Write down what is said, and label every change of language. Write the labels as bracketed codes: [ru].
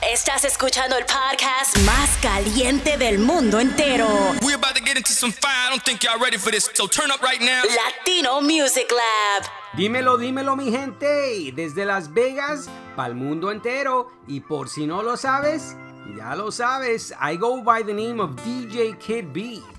[es] Estás escuchando el podcast más caliente del mundo entero. [en] We're about to get into some fire. I don't think y'all ready for this. So turn up right now. Latino Music Lab. [es] Dímelo, mi gente. Desde Las Vegas pa'l mundo entero. Y por si no lo sabes, ya lo sabes. [en] I go by the name of DJ Kid B.